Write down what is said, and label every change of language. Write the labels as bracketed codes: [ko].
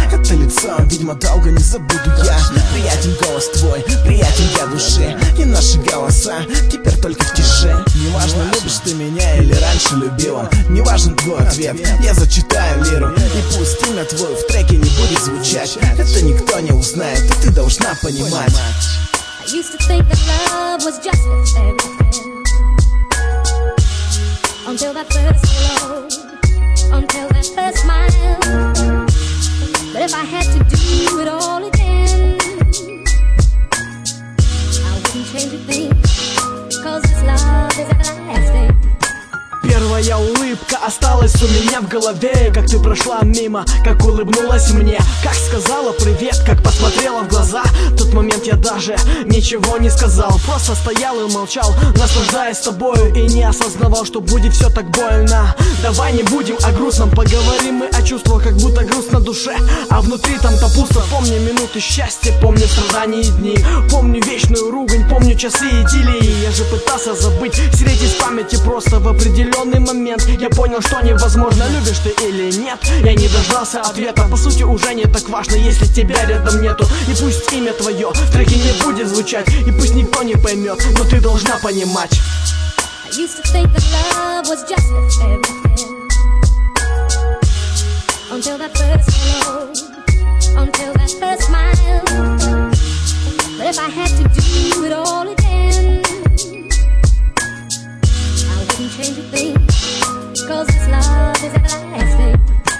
[ru] Это лицо, видимо, долго не забуду я. Приятен голос твой, приятен я души. И наши голоса теперь только в тиши. Неважно, любишь ты меня или раньше любила. Неважен твой ответ, я зачитаю лиру. И пусть имя твое в треке не будет звучать. Это никто не узнает, и ты должна понимать. [en] I used to think that love was just everything. Until that first hello, until that first smile. But if I had to do it all again, I wouldn't change a thing, 'cause this love is everlasting. [ru] Первая улыбка осталась у меня в голове. Как ты прошла мимо, как улыбнулась мне. Как сказала привет, как посмотрела в глаза. В тот момент я даже ничего не сказал. Просто стоял и молчал, наслаждаясь тобою. И не осознавал, что будет все так больно. Давай не будем о грустном, поговорим мы о чувствах. Как будто груст на душе, а внутри там-то пусто. Помню минуты счастья, помню страдания и дни. Помню вечную ругань, помню часы идиллии. Я же пытался забыть, стереть из памяти просто в определенном момент. Я понял, что невозможно, любишь ты или нет. Я не дождался ответа, по сути уже не так важно, если тебя рядом нету. И пусть имя твое в треке не будет звучать. И пусть никто не поймет, но ты должна понимать. [en] I used to think that love was just everything. Until that first hello, until that first smile. But if I had to do it all again, change a thing, 'cause this love is everlasting.